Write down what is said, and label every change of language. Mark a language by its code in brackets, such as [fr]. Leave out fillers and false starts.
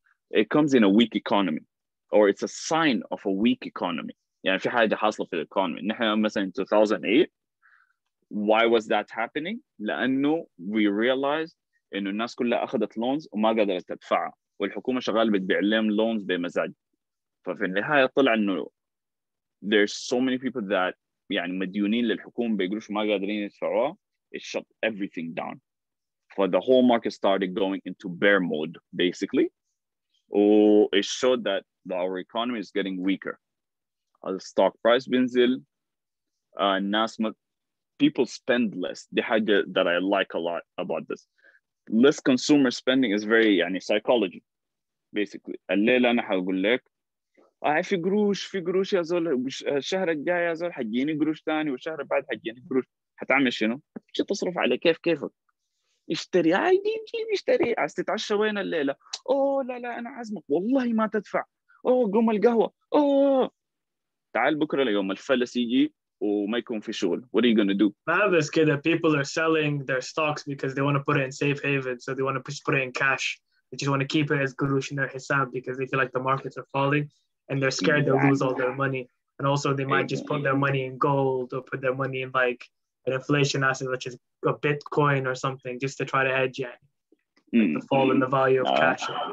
[en] It comes in a weak economy, or it's a sign of a weak economy. [ar] يعني في حاجة حاصلة في الإقتصاد. نحن مثلاً [en] 2008. Why was that happening? [ar] لأنه [en] we realized [ar] إنه الناس كلها أخذت loans وما قدرت تدفعها. والحكومة شغالة بتبيع لهم loans بمزاج. ففي النهاية طلع إنه [en] there's so many people that [ar] يعني مديونين للحكومة بيقولوش ما قادرين يدفعوها. [en] It shut everything down. But the whole market started going into bear mode, basically. Oh, it showed that our economy is getting weaker. The stock price [ar] بنزل. [en] People spend less. The [ar] حاجة [en] that I like a lot about this. Less consumer spending is very, [ar] يعني [en] psychology, basically. [ar] الليلة أنا حقول لك, في قروش يا زول, الشهر الجاي يا زول حجيني قروش تاني, والشهر بعد حجيني قروش. هتعمل شنو؟ شو تصرف على كيف كيفك. اشتري هاي مين كيف يشتري استتعشى وين الليلة أوه لا لا أنا عزمك والله ما تدفع أوه قوم القهوة أوه تعال بكرة اليوم الفلس يجي وما يكون في شغل [en] what are you gonna do [ar] ما بس كده [en] people are selling their stocks because they want to put it in safe haven so they want to push put it in cash they just want to keep it as قروش in their [ar] حساب [en] because they feel like the markets are falling and they're scared they'll lose all their money and also they might just put their money in gold or put their money in like an inflation asset which is a Bitcoin or something just to try to hedge it, the fall in the value of cash.